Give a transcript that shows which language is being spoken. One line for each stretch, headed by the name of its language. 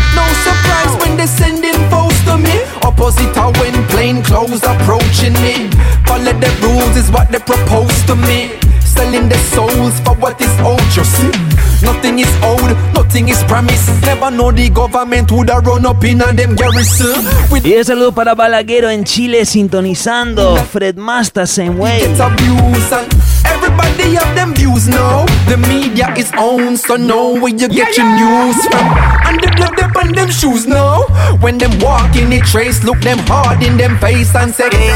English: No surprise when they sending foes to me. Opposite a when plain clothes approaching me. Follow the rules is what they propose to me. Selling their souls for what is owed, you see. Nothing is owed, nothing is promised. Never know the government would have run up in a them garrison.
Spanish: Y un saludo para Balaguero en Chile sintonizando.
English: Fred Masta, same way. It's abuse and everybody have them views now. The media is owned, so know where you get your news from. And the blood up on them shoes now. When them walk in the trace, look them hard in them face and say,